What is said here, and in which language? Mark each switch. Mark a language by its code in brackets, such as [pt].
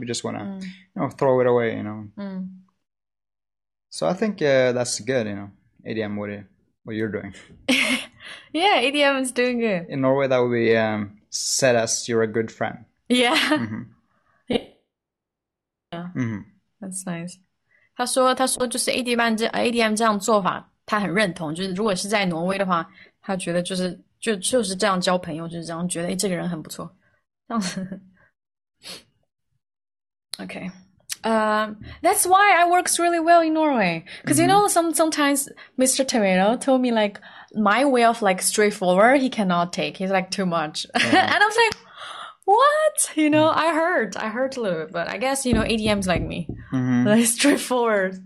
[en] You just want to, you know, throw it away, you know. So I think that's good, you know, ADM, what you're doing. Yeah, ADM is doing good. In Norway, that would be said as you're a good friend. Yeah. Mm-hmm. Yeah. Mm-hmm. That's nice. [zh] 他说就是 ADM 这样做法他很认同，就是如果是在挪威的话，他觉得就是这样交朋友，就是这样觉得，这个人很不错，这样子。 [en] Okay, that's why I works really well in Norway. Because you know, sometimes Mr. Tomato told me like my way of like straightforward, he cannot take. He's like too much, and I was like, what? You know, I heard a little bit, but I guess you know, ADM's like me, like straightforward.